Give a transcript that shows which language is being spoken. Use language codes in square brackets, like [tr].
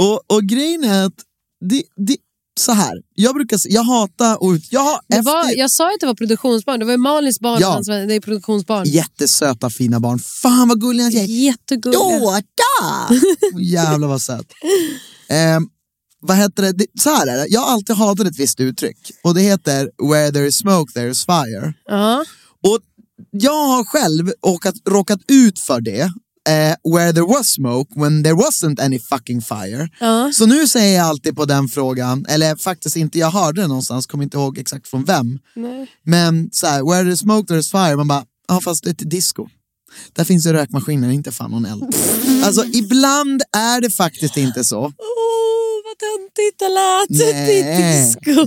[sv] Och grejen är att så här. Jag hatar ut. Jag sa ju att det var produktionsbarn. Det var ju Malins barn. Ja. Det är produktionsbarn. Jättesöta, fina barn. Fan vad gulliga tjejer. Jättegulliga. Då, jävlar vad söt. Vad heter det? Så här är det. Jag har alltid hatat ett visst uttryck. Och det heter [en] where there is smoke, there is fire. [sv] Ja. Och jag har själv råkat ut för det. [en] Where there was smoke when there wasn't any fucking fire. [sv] Så nu säger jag alltid på den frågan, eller faktiskt inte, jag hörde det någonstans, kommer inte ihåg exakt från vem. Nej. Men så här, [en] where there's smoke there's fire, [sv] man bara, ja, fast det är till disco. Där finns ju rökmaskiner, inte fan någon eld. Alltså ibland är det faktiskt inte så. Oh, vad töntigt det lät.